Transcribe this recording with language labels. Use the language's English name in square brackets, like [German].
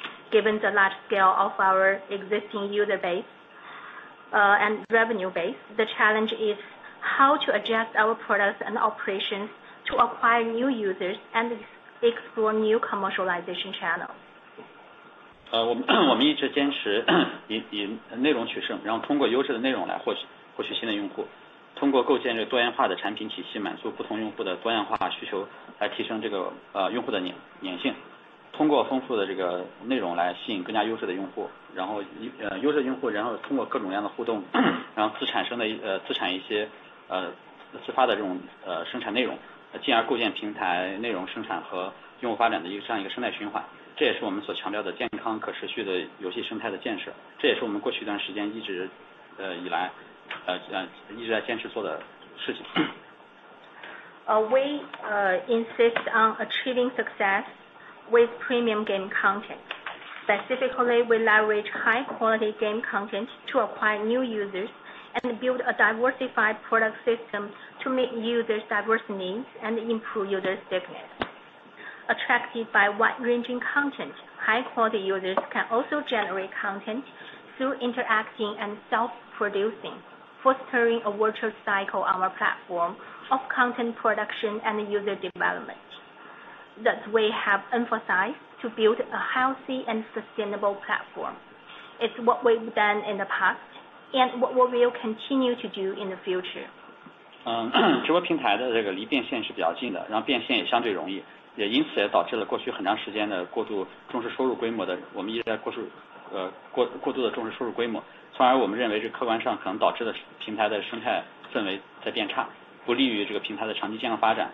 [English] Given the large scale of our existing user base and revenue base, the challenge is how to adjust our products and operations to acquire new users and explore new commercialization channels. [Chinese] 我们一直坚持以内容取胜，然后通过优质的内容来获取新的用户，通过构建这个多元化的产品体系，满足不同用户的多样化需求，来提升这个用户的粘性，通过丰富的这个内容来吸引更加优质的用户，然后优质用户，然后通过各种各样的互动，然后自产一些自发的这种生产内容，进而构建平台内容生产和用户发展的这样一个生态循环。这也是我们所强调的健康可持续的游戏生态的建设，这也是我们过去一段时间一直一直在坚持做的事情。 [English] We insist on achieving success with premium game content. Specifically, we leverage high quality game content to acquire new users and build a diversified product system to meet users' diverse needs and improve user stickiness. Attracted by wide-ranging content, high-quality users can also generate content through interacting and self-producing, fostering a virtual cycle on our platform of content production and user development. Thus, we have emphasized to build a healthy and sustainable platform. It's what we've done in the past and what we will continue to do in the future. [Chinese] 直播平台的这个离变现是比较近的，然后变现也相对容易，也因此也导致了过去很长时间的过度重视收入规模的，我们一直在过度的重视收入规模，从而我们认为这客观上可能导致的平台的生态氛围在变差，不利于这个平台的长期健康发展。